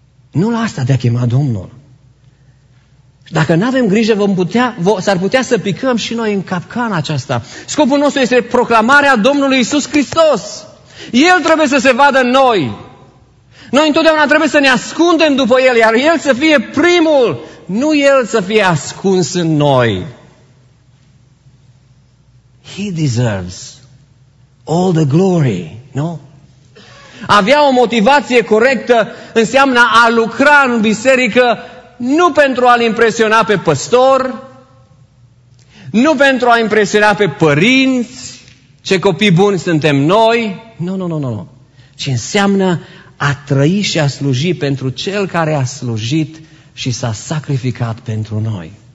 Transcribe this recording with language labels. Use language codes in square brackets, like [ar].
[ro] Nu la asta te-a chemat Domnul. Dacă nu avem grijă, s-ar putea să picăm și noi în capcana aceasta. Scopul nostru este proclamarea Domnului Iisus Hristos. El trebuie să se vadă în noi. Noi întotdeauna trebuie să ne ascundem după El, iar El să fie primul, nu El să fie ascuns în noi. [en] He deserves all the glory, no? [ro] Avea o motivație corectă înseamnă a lucra în biserică nu pentru a-l impresiona pe păstor, nu pentru a impresiona pe părinți, ce copii buni suntem noi. Nu. Ci înseamnă a trăi și a sluji pentru Cel care a slujit și s-a sacrificat pentru noi.